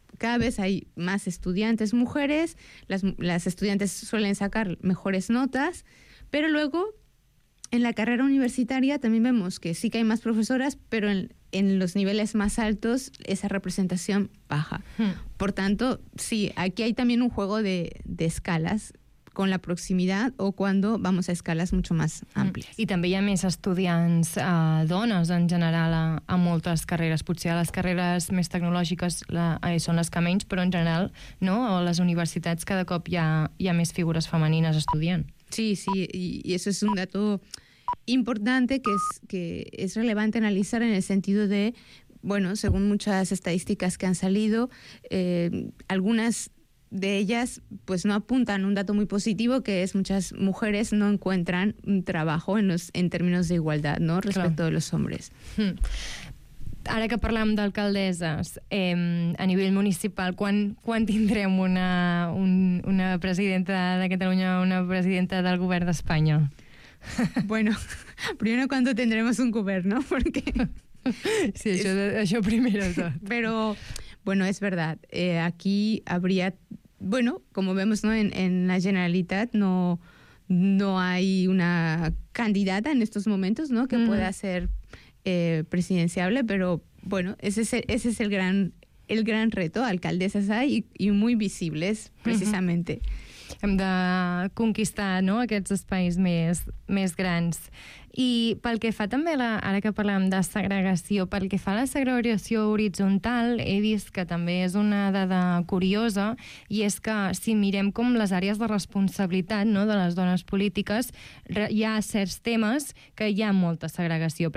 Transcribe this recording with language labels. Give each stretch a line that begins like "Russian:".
Spanish: Cada vez hay más estudiantes mujeres, las estudiantes suelen sacar mejores notas, pero luego en la carrera universitaria también vemos que sí que hay más profesoras, pero en los niveles más altos esa representación baja. Por tanto, sí, aquí hay también un juego de escalas con la proximidad o cuando vamos a escalas mucho más amplias.
Catalan: I també hi ha més estudiants dones en general a moltes carreres. Potser a les carreres més tecnològiques són les que menys, però en general, no?, a les universitats cada cop hi ha més figures femenines estudiant.
Spanish: Sí, y eso es un dato importante que es relevante analizar en el sentido de, bueno, según muchas estadísticas que han salido, algunas de ellas pues no apuntan un dato muy positivo, que es muchas mujeres no encuentran un trabajo en términos de igualdad, ¿no?, respecto claro. de los hombres.
Catalan: Ara que parlem d'alcaldesses, a nivell municipal, quan tindrem una presidenta de Catalunya, una presidenta del govern d'Espanya?
Spanish: Bueno, primero cuando tendremos un govern, ¿no? Porque...
Catalan: Sí, això primero.
Spanish: Pero, bueno, es verdad, aquí habría... Bueno, como vemos, ¿no?, en la Generalitat no... no hay una candidata en estos momentos, ¿no?, que pueda ser presidenciable, pero bueno, ese es el gran reto. Alcaldesas hay y muy visibles, precisamente.
Catalan: Hem de conquistar, no?, aquests espais més grans. I pel que fa també, ara que parlem de segregació, pel que fa a la segregació horitzontal, he vist que també és una dada curiosa, i és que si mirem com les àrees de responsabilitat, no?, de les dones polítiques, hi ha certs temes que hi ha molta segregació.